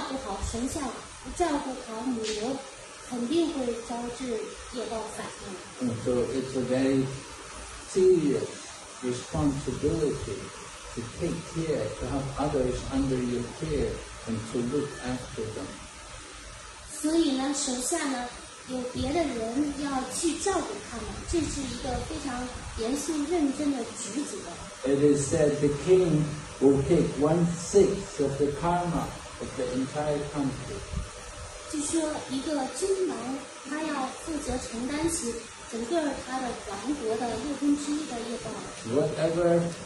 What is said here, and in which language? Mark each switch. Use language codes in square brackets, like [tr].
[zh] 如果不照顾好奉献者，不照顾好神像，不照顾好母牛。肯定会招致业报反应。 [en] So it's a very serious responsibility to take care, to have others under your care, and to look after them. [zh] 所以呢，手下呢有别的人要去照顾他们，这是一个非常严肃认真的职责。 [en] It is said the king will take 1/6 of the karma of the entire country. [zh] 就说一个君王，他要负责承担起整个他的王国的六分之一的业报。 [en] Whatever